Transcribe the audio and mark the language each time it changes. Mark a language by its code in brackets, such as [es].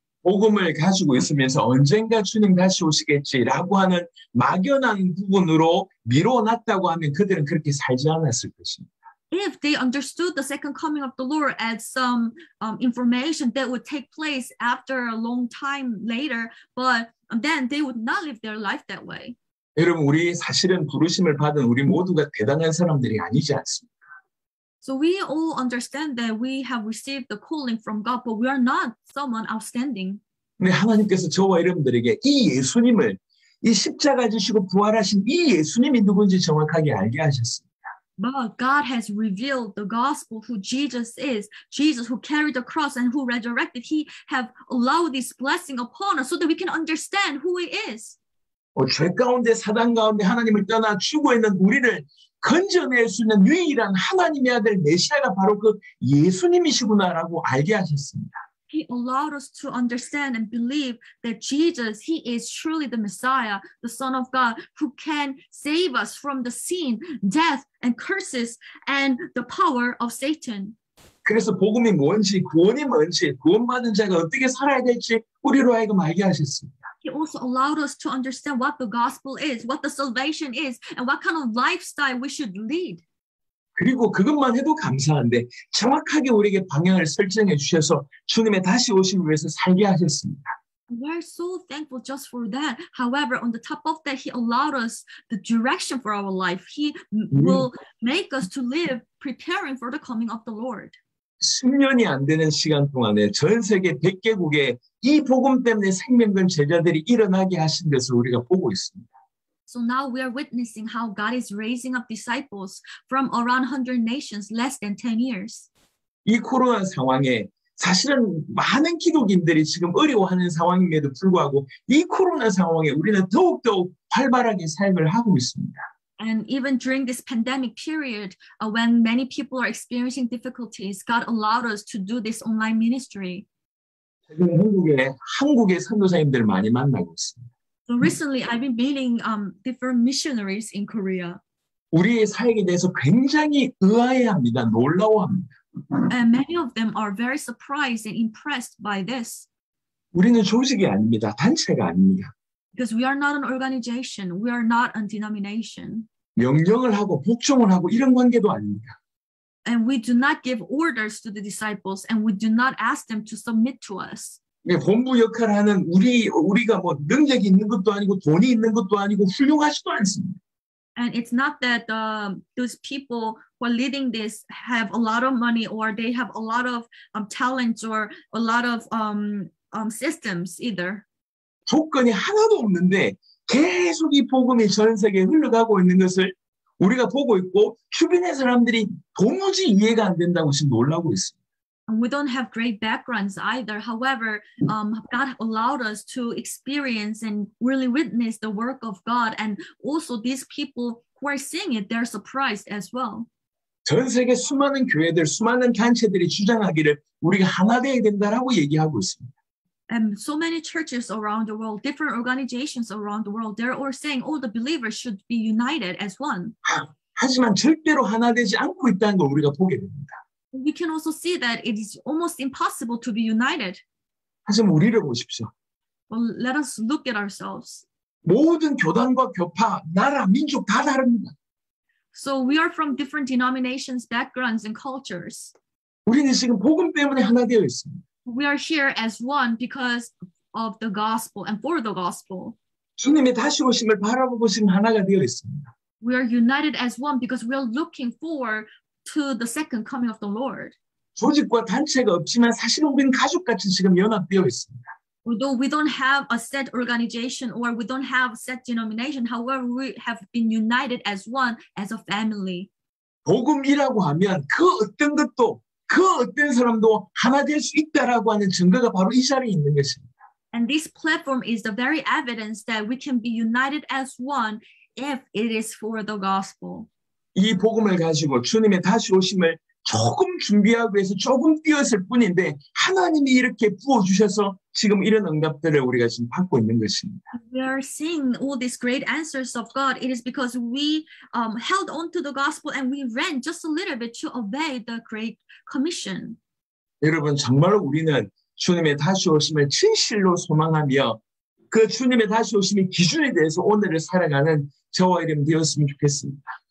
[ko] 복음을 가지고 있으면서 언젠가 주님 다시 오시겠지라고 하는 막연한 부분으로 미뤄놨다고 하면 그들은 그렇게 살지 않았을 것입니다. [en] If they understood the second coming of the Lord as some information that would take place after a long time later, but then they would not live their life that way. [ko] 여러분, 우리 사실은 부르심을 받은 우리 모두가 대단한 사람들이 아니지 않습니까? [en] So we all understand that we have received the calling from God, but we are not someone outstanding. [ko] 네, 하나님께서 저와 여러분들에게 이 예수님을 이 십자가 지시고 부활하신 이 예수님이 누군지 정확하게 알게 하셨습니다. [en] But God has revealed the gospel who Jesus is, Jesus who carried the cross and who resurrected. He have allowed this blessing upon us so that we can understand who He is. [ko] 죄 가운데 사단 가운데 하나님을 떠나 죽어 있는 우리를 건져낼 수 있는 유일한 하나님의 아들 메시아가 바로 그 예수님이시구나라고 알게 하셨습니다. [en] He allowed us to understand and believe that Jesus, He is truly the Messiah, the Son of God, who can save us from the sin, death, and curses, and the power of Satan. [ko] 그래서 복음이 뭔지, 구원이 뭔지, 구원받은 자가 어떻게 살아야 될지 우리로 하여금 알게 하셨습니다. [en] He also allowed us to understand what the gospel is, what the salvation is, and what kind of lifestyle we should lead. [ko] 그리고 그것만 해도 감사한데 정확하게 우리에게 방향을 설정해 주셔서 주님의 다시 오심을 위해서 살게 하셨습니다. [en] We're so thankful just for that. However, on the top of that, he allowed us the direction for our life. He will make us to live preparing for the coming of the Lord. [ko] 10년이 안 되는 시간 동안에 전 세계 100개국에 이 복음 때문에 생명된 제자들이 일어나게 하신 것을 우리가 보고 있습니다. [en] So now we are witnessing how God is raising up disciples from around 100 nations less than 10 years. [ko] 이 코로나 상황에 사실은 많은 기독인들이 지금 어려워하는 상황임에도 불구하고 이 코로나 상황에 우리는 더욱더 활발하게 삶을 하고 있습니다. [en] And even during this pandemic period, when many people are experiencing difficulties, God allowed us to do this online ministry. [ko] 최근 한국의 선교사님들 많이 만나고 있습니다. [en] So recently, I've been meeting different missionaries in Korea. [ko] 우리의 사역에 대해서 굉장히 의아해합니다. 놀라워합니다. [en] And many of them are very surprised and impressed by this. [ko] 우리는 조직이 아닙니다. 단체가 아닙니다. [en] Because we are not an organization, we are not a denomination. [ko] 명령을 하고 복종을 하고 이런 관계도 아닙니다. [en] And we do not give orders to the disciples, and we do not ask them to submit to us. [ko] 네, 본부 역할을 하는 우리가 뭐 능력이 있는 것도 아니고 돈이 있는 것도 아니고 훌륭하지도 않습니다. [en] And it's not that those people who are leading this have a lot of money or they have a lot of talents or a lot of systems either. [ko] 조건이 하나도 없는데 계속 이 복음이 전 세계에 흘러가고 있는 것을 우리가 보고 있고 주변의 사람들이 도무지 이해가 안 된다고 지금 놀라고 있습니다. [en] We don't have great backgrounds either. However, God allowed us to experience and really witness the work of God. And also these people who are seeing it, they're surprised as well. [ko] 전 세계 수많은 교회들, 수많은 단체들이 주장하기를 우리가 하나 돼야 된다라고 얘기하고 있습니다. [en] And so many churches around the world, different organizations around the world, they're all saying, oh, the believers should be united as one. [ko] 하지만 절대로 하나 되지 않고 있다는 걸 우리가 보게 됩니다. [en] We can also see that it is almost impossible to be united. [ko] 하지만 우리를 보십시오. [en] Well, let us look at ourselves. [ko] 모든 교단과 교파, 나라, 민족 다 다릅니다. [en] So we are from different denominations, backgrounds, and cultures. [ko] 우리는 지금 복음 때문에 하나 되어 있습니다. [en] We are here as one because of the gospel and for the gospel. [ko] 주님의 다시 오심을 바라보고 지금 하나가 되어 있습니다. [en] We are united as one because we are looking forward to the second coming of the Lord. [ko] 조직과 단체가 없지만 사실은 우리는 가족같이 지금 연합되어 있습니다. [en] Although we don't have a set organization or we don't have a set denomination, however, we have been united as one, as a family. [ko] 복음이라고 하면 그 어떤 것도 그 어떤 사람도 하나 될 수 있다라고 하는 증거가 바로 이 자리에 있는 것입니다. [en] And this platform is the very evidence that we can be united as one if it is for the gospel. [ko] 이 복음을 가지고 주님의 다시 오심을 조금 준비하고 해서 조금 뛰었을 뿐인데 하나님이 이렇게 부어주셔서 지금 이런 응답들을 우리가 지금 받고 있는 것입니다. [en] We are seeing all these great answers of God. It is because we held on to the gospel and we ran just a little bit to obey the great commission. [ko] 여러분 정말로 우리는 주님의 다시 오심을 진실로 소망하며 그 주님의 다시 오심의 기준에 대해서 오늘을 살아가는 저와 여러분 되었으면 좋겠습니다.